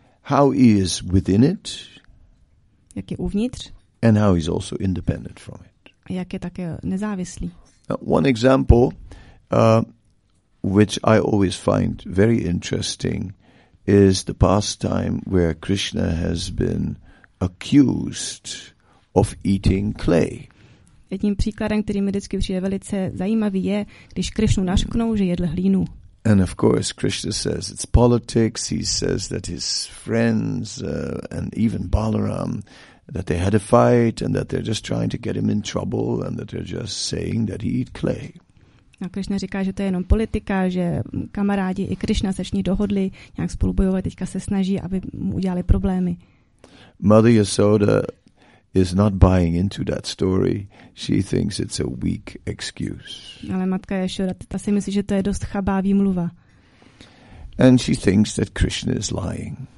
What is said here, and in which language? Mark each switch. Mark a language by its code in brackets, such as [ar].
[en] How he is within it. [cs] Jak je uvnitř. [en] And how he's also independent from it. [cs] Jak je také nezávislý. [en] Now, one example which I always find very interesting is the pastime where Krishna has been accused of eating clay. [cs] Jedním příkladem, který mi vždycky přijde velice zajímavý, je, když Krishnu nařknou, že jedl hlínu. [en] And of course Krishna says it's politics. He says that his friends and even Balaram, that they had a fight and that they're just trying to get him in trouble and that they're just saying that he eat clay. [cs] A Krishna říká, že to je jenom politika, že kamarádi i Krishna se s ní dohodli nějak spolu bojovat, teďka se snaží, aby mu udělali problémy. [en] Mother Yasoda is not buying into that story. She thinks it's a weak excuse. [cs] Ale matka Yasoda, ta si myslí, že to je dost chabá výmluva. [en] And she thinks that Krishna is lying.